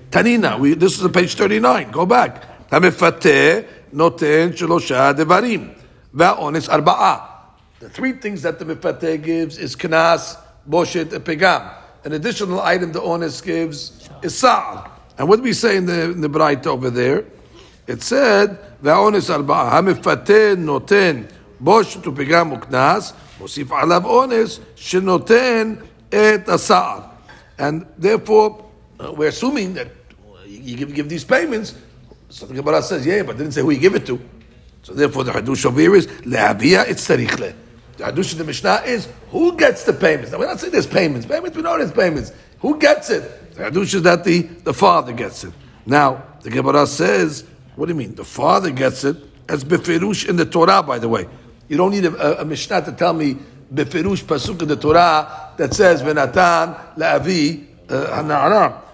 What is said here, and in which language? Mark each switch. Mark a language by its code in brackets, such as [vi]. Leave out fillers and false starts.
[en] Tanina, this is page 39. Go back. The [he] mifateh noten shelosha devarim va'ones arba'a. [en] The three things that the mifateh gives is kenas, boshet, and pegam. An additional item the ones gives is sa'ar. And what do we say in the bright over there? [he] It said, והאונס ארבעה, המפתה נותן בושת ופגם וכנס, מוסיף עליו אונס שנותן את הסער. [en] And therefore, we're assuming that you give these payments. So the Gemara says, yeah, but didn't say who you give it to. So therefore, the Hadush of here is, [he] להביא את צריך לה. [en] The Hadush of the Mishnah is, who gets the payments? Now, we're not saying there's payments. Payments, we know there's payments. Who gets it? The Hadush is that the father gets it. Now, the Gemara says, what do you mean? The father gets it as Beferush in the Torah, by the way. You don't need a Mishnah to tell me Beferush Pasuk in the Torah that says [he] Venatan La'avi Hana'ara.